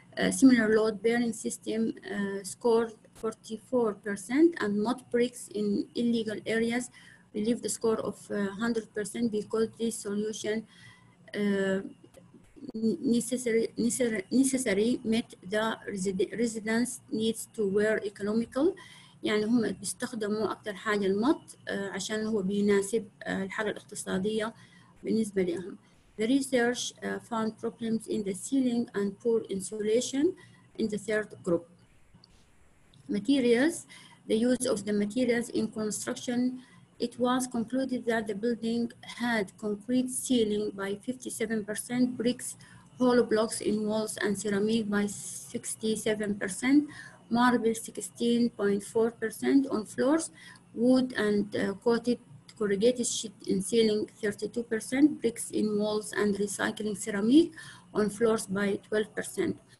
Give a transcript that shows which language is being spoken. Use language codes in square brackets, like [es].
[en] Similar load bearing system scored 44%, and mud bricks in illegal areas received a score of 100% because this solution necessary met the residents needs to wear economical. [ar] يعني هم بيستخدموا أكتر حاجة المط عشان هو بيناسب الحالة الاقتصادية بالنسبة لهم. [en] The research found problems in the ceiling and poor insulation in the third group. Materials, the use of the materials in construction, it was concluded that the building had concrete ceiling by 57%, bricks, hollow blocks in walls and ceramic by 67%, marble 16.4% on floors, wood and coated corrugated sheet in ceiling 32%, bricks in walls and recycling ceramic on floors by 12%.